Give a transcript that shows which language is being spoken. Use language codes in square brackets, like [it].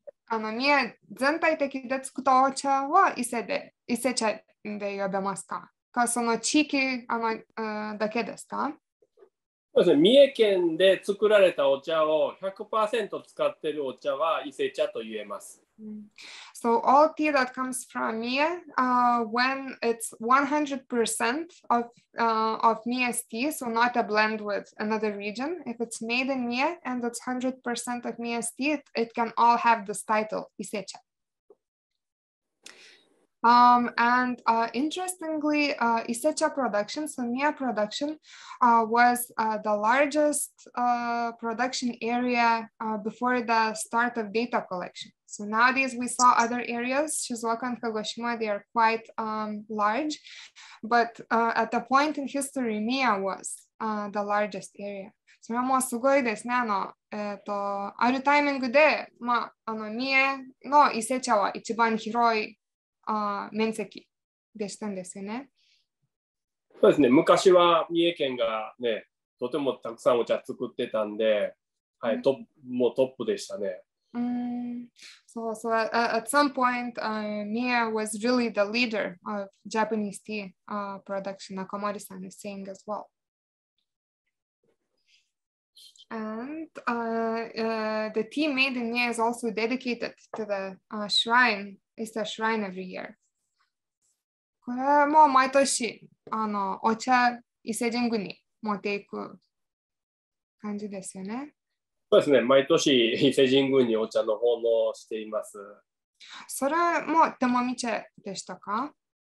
[ja] Mie 全体的で作ったお茶は伊勢茶で呼べますか？か、その地域だけですか？そうですね。三重県で作られたお茶を 100% 使っているお茶は伊勢茶と言えます。 [en] So all tea that comes from Mie, when it's 100% of Mie's tea, so not a blend with another region, if it's made in Mie and it's 100% of Mie's tea, it can all have this title, Isecha. And interestingly, Isecha production, so Mia production, was the largest production area before the start of data collection. So nowadays we saw other areas, Shizuoka and Kagoshima, they are quite large, but at the point in history, Mia was the largest area. [ja] それもすごいですね。あるタイミングで、まあ、三重の伊勢茶は一番広い面積でしたんですよね。そうですね。昔は三重県がね、とてもたくさんお茶作ってたんで、はい、うん、もうトップでしたね。 [en] So, so at some point, Mia was really the leader of Japanese tea production, Nakamori-san is saying as well. And the tea made in Mie is also dedicated to the shrine. It's a shrine every year. [ja] これも毎年お茶伊勢神宮に持っていく感じですよね。そうですね。毎年伊勢神宮にお茶の奉納しています。それも手もみ茶でしたか？